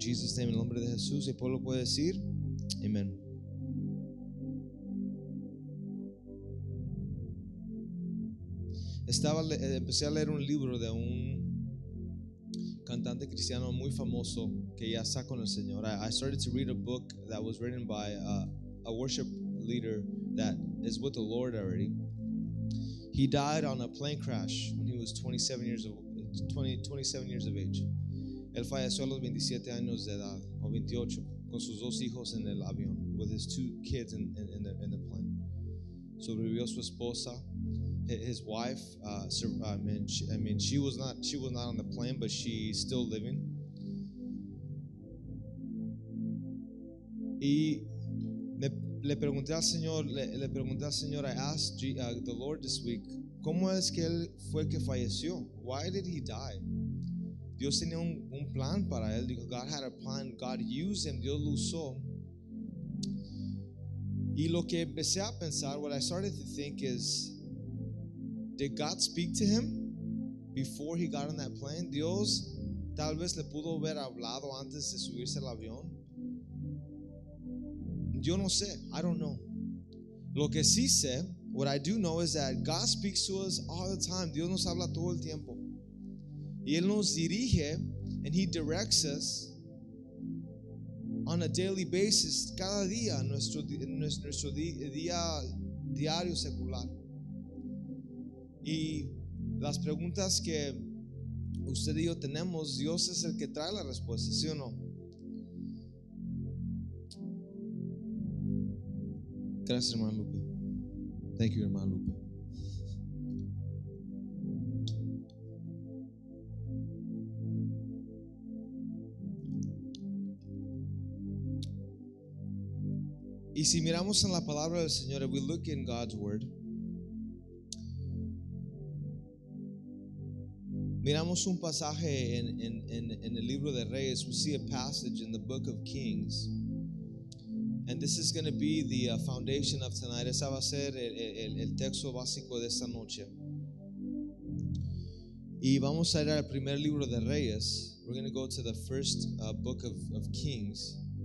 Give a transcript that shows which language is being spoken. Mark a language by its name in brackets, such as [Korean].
[English] Jesus name, [Spanish] en el nombre de Jesús, y el pueblo puede decir amén. Empecé a leer un libro de un cantante cristiano muy famoso que ya está con el Señor. [English] I started to read a book that was written by a worship leader that is with the Lord already. He died on a plane crash when he was 27 years of age. [Spanish] Él falleció a los 27 años de edad, o 28, con sus dos hijos en el avión, [English] with his two kids in the plane. [Spanish] Sobrevivió su esposa, [English] his wife, she was not on the plane, but she's still living. [Spanish] Y le pregunté al Señor, [English] I asked the Lord this week, [Spanish] ¿cómo es que él fue el que falleció? [English] Why did he die? [Spanish] Dios tenía un plan para él. [English] God had a plan. God used him. [Spanish] Dios lo usó. Y lo que empecé a pensar, [English] what I started to think is, did God speak to him before he got on that plane? [Spanish] Dios tal vez le pudo haber hablado antes de subirse al avión. Yo no sé. [English] I don't know. [Spanish] Lo que sí sé, [English] what I do know is that God speaks to us all the time. [Spanish] Dios nos habla todo el tiempo. Y Él nos dirige, [English] and He directs us on a daily basis, [Spanish] cada día, nuestro día diario secular. Y las preguntas que usted y yo tenemos, Dios es el que trae la respuesta, ¿sí o no? Gracias, hermano Lupe. [English] Thank you, [Spanish] hermano Lupe. Y si miramos en la palabra del Señor, [English] if we look in God's word, [Spanish] miramos un pasaje en el libro de Reyes. [English] We see a passage in the book of Kings, and this is going to be the foundation of tonight. [Spanish] Esa va a ser el texto básico de esta noche. Y vamos a ir al primer libro de Reyes. [English] We're going to go to the first book of Kings.